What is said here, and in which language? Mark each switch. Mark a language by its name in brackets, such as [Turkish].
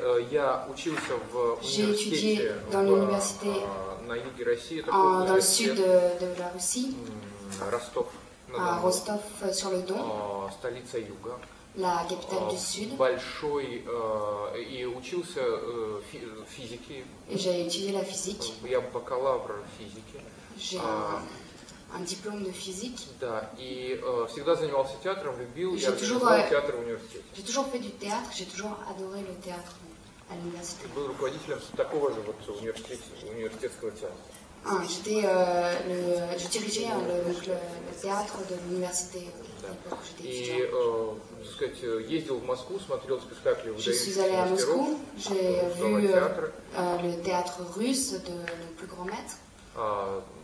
[Russian] Я учился в университете на юге России. [French] Dans le sud de la Russie. [Russian] Ростов. Ростов sur le Don. Столица юга. [French] La capitale du sud. [Russian] Большой и учился физике. [French] J'ai étudié la physique. [Russian] Я бакалавр физики. [French] Un diplôme de physique. [Russian] Да, и всегда занимался театром, любил. [French] J'ai [Russian] театр в университете. [French] J'ai toujours fait du théâtre, j'ai toujours adoré le théâtre à l'université. [Russian] Был руководителем такого же вот университетского театра. [French] J'étais je dirigeais le théâtre de l'université. [Russian] Да. И, сказать, ездил в Москву, смотрел спектакли в [French] Je suis allé à Moscou, j'ai vu le théâtre russe de le plus grand maître.